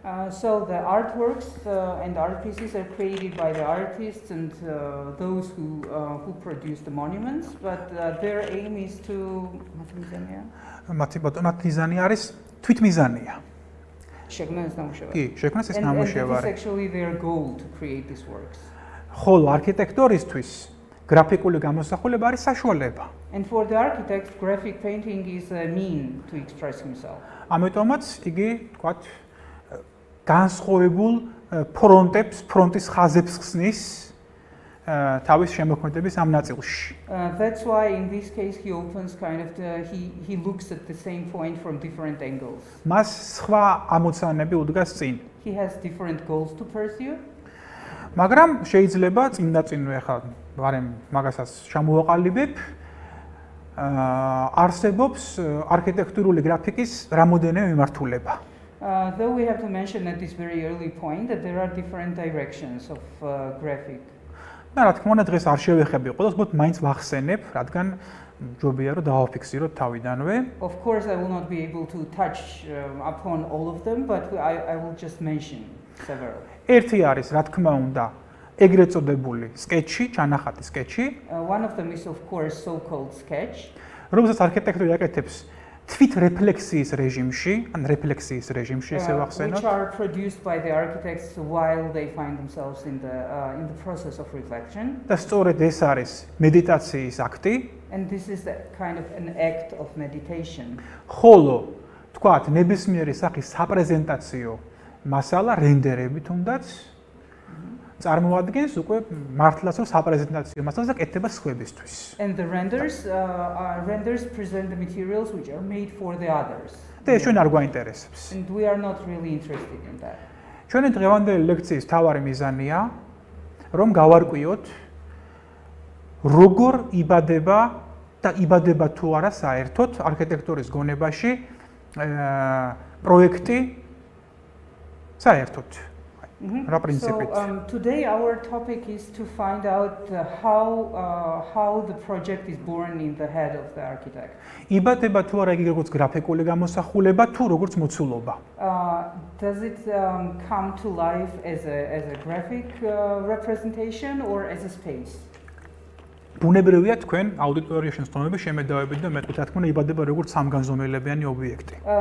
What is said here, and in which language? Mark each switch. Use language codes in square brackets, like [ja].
[en] So the artworks and art pieces are created by the artists and those who produce the monuments, but their aim is to [ka] მათი მიზანი არის თვითმიზანია. შექმნას ნამუშევარი. კი, შექმნას ეს ნამუშევარი. [en] It is actually their goal to create these works. [ka] ხოლო არქიტექტორისთვის გრაფიკული გამოსახულება არის საშუალება. [en] And for the architect, graphic painting is a mean to express himself. [ka] ამიტომაც იგი, თქვათ, განსხვავებულ ფრონტებს, ფრონტის ხაზებს ხსნის თავის შემოქმედების ამ ნაწილში. [en] That's why in this case he opens kind of the, he looks at the same point from different angles. [ka] მას სხვა ამოცანები უდგას წინ. [en] He has different goals to pursue. [ka] მაგრამ შეიძლება წინდაწინ ახლა ვარემ მაგასაც ჩამოვაყალიბებ. არსებობს არქიტექტურული გრაფიკის რამოდენიმე მიმართულება. [en] Though we have to mention at this very early point that there are different directions of graphic. [ka] Да, რა თქმა უნდა, დღეს არ შევეხები ყველას, მაგრამ მაინც ვახსენებ, რადგან ჯობია რომ დავაფიქსიროთ თავიდანვე. [en] Of course I will not be able to touch upon all of them, but I will just mention several. [ka] ერთი არის, რა თქმა უნდა, ეგრეთ წოდებული სკეჩი, ჩანახატი სკეჩი. [en] One of them is of course so-called sketch. [ka] რომელსაც არქიტექტორი აკეთებს თვით რეფლექსიის რეჟიმში, ან რეფლექსიის რეჟიმში, ესე ვახსენოთ. [en] Which are produced by the architects while they find themselves in the process of reflection. [ka] და სწორედ ეს არის მედიტაციის აქტი. [en] And this is a kind of an act of meditation. [ka] ხოლო, თქვათ, ნებისმიერი სახის საპრეზენტაციო მასალა რენდერები თუნდაც წარმოადგენს უკვე მართლაც რომ საპრეზენტაციო მასალას და კეთება სხვებისთვის. [en] And the renders renders present the materials which are made for the others. [ka] და ეს ჩვენ არ გვაინტერესებს. [en] And we are not really interested in that. [ka] ჩვენი დღევანდელი ლექციის მთავარი მიზანია რომ გავარკვიოთ როგორ იბადება და იბადება თუ არა საერთოდ არქიტექტურის გონებაში პროექტი საერთოდ. [en] Today our topic is to find out how the project is born in the head of the architect. [ka] იბადება თუ არა იგი როგორც გრაფიკული გამოსახულება თუ როგორც მოცულობა? [en] Does it come to life as a graphic representation or as a space? [ka] ბუნებრივია თქვენ აუდიტორიაში ცნობები შემედავები და მეტყვით რა თქმა უნდა იბადება როგორც სამგანზომელებიანი ობიექტი.